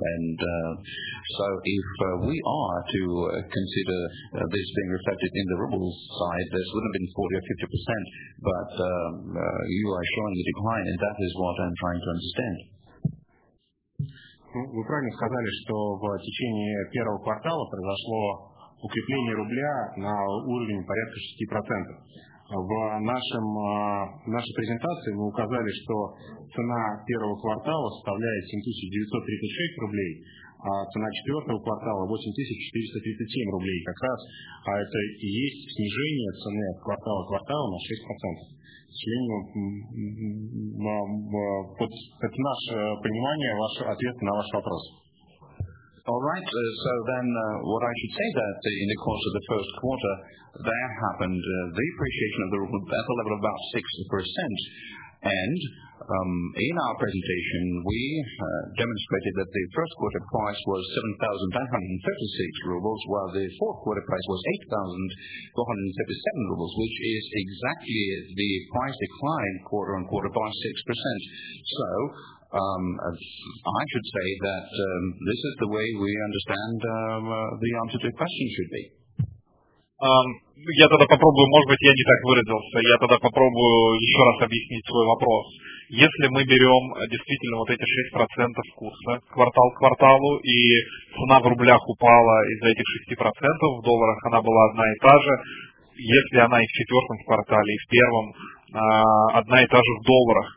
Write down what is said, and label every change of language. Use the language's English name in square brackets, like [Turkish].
[English] So if we are to consider this being reflected in the ruble side, this would have been 40-50%, but you are showing a decline, and that is what I'm trying to understand. [Russian] Вы правильно сказали, что в течение первого квартала произошло укрепление рубля на уровень порядка 6%. В нашей презентации мы указали, что цена первого квартала составляет 7936 рублей, а цена четвертого квартала 8437 рублей. Как раз это и есть снижение цены от квартала к кварталу на 6%. К сожалению, это наше понимание, ваш ответ на ваш вопрос. [English] All right, so then what I should say that in the course of the first quarter, there happened the appreciation of the ruble at the level of about 6%. And in our presentation, we demonstrated that the first quarter price was 7,936 rubles, while the fourth quarter price was 8,437 rubles, which is exactly the price decline quarter on quarter by 6%. So, I should say that this is the way we understand the answer to the question should be. [Russian] Я тогда попробую, может быть, я не так выразился, я тогда попробую еще раз объяснить свой вопрос. Если мы берем действительно вот эти 6% курса квартал к кварталу, и цена в рублях упала из-за этих 6%, в долларах она была одна и та же, если она и в четвертом квартале, и в первом, одна и та же в долларах.